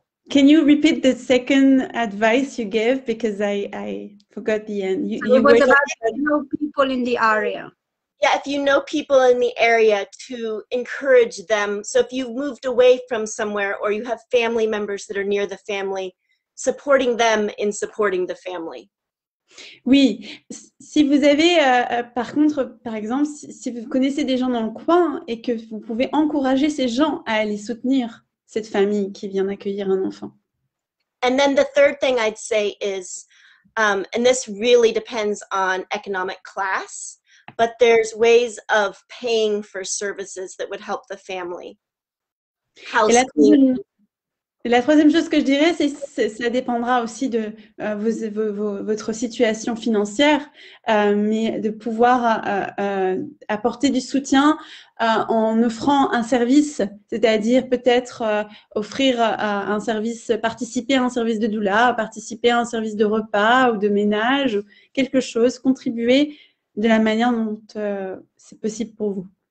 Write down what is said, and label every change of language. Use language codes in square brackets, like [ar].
[en] Can you repeat the second advice you gave, because I forgot the end. Know people in the area. Yeah, if you know people in the area, to encourage them. So if you've moved away from somewhere or you have family members that are near the family, supporting them in supporting the family. [fr] Oui, si vous avez, par contre, par exemple, si vous connaissez des gens dans le coin et que vous pouvez encourager ces gens à aller soutenir cette famille qui vient d'accueillir un enfant. [en] And then the third thing I'd say is, and this really depends on economic class, but there's ways of paying for services that would help the family. [fr] La troisième chose que je dirais, c'est que ça dépendra aussi de votre situation financière, mais de pouvoir apporter du soutien en offrant un service, c'est-à-dire peut-être offrir un service, participer à un service de doula, participer à un service de repas ou de ménage, quelque chose, contribuer de la manière dont c'est possible pour vous.